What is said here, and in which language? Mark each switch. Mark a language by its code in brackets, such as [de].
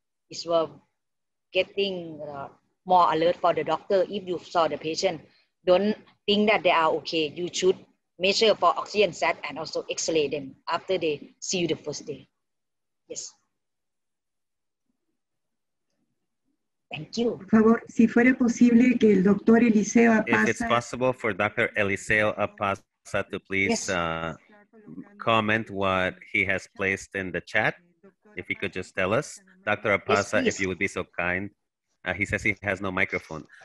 [en] It's well, getting more alert for the doctor. If you saw the patient, don't think that they are okay. You should measure for oxygen set and also exhale them after they see you the first day. Yes. Thank you. [es] Por favor, si fuera posible que el doctor Eliseo [en] Apaza. If it's possible for Dr. Eliseo Apaza to please comment what he has placed in the chat, if he could just tell us. Dr. Apaza, yes, if you would be so kind. He says he has no microphone.